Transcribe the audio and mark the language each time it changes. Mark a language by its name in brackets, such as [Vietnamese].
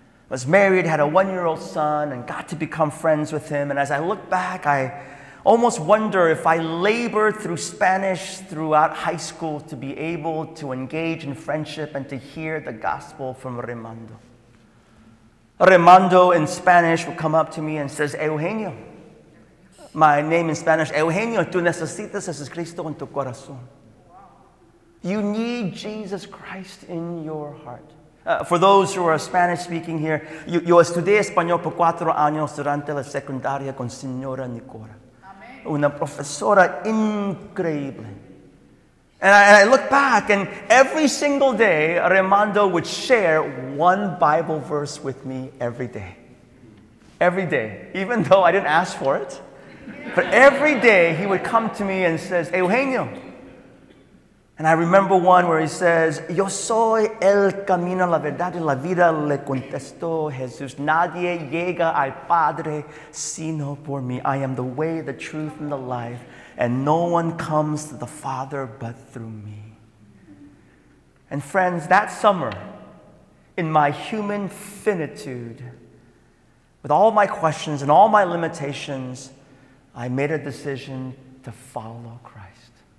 [English] was married, had a one-year-old son, and got to become friends with him. And as I look back, I almost wonder if I labored through Spanish throughout high school to be able to engage in friendship and to hear the gospel from Raimundo. Raimundo in Spanish would come up to me and says, Eugenio. My name in Spanish, [Spanish] Eugenio, tú necesitas a Jesucristo en tu corazón. [English] You need Jesus Christ in your heart. For those who are Spanish speaking here, [Spanish] yo estudié español por 4 años durante la secundaria con señora Nicora. Amen. Una profesora increíble. [English] And I look back, and every single day, Raimundo would share one Bible verse with me every day. Every day, even though I didn't ask for it. But every day he would come to me and says, Eugenio. And I remember one where he says, [Spanish] Yo soy el camino, la verdad y la vida, le contestó Jesús. Nadie llega al Padre sino por mí. [English] I am the way, the truth, and the life. And no one comes to the Father but through me. And friends, that summer, in my human finitude, with all my questions and all my limitations, I made a decision to follow Christ.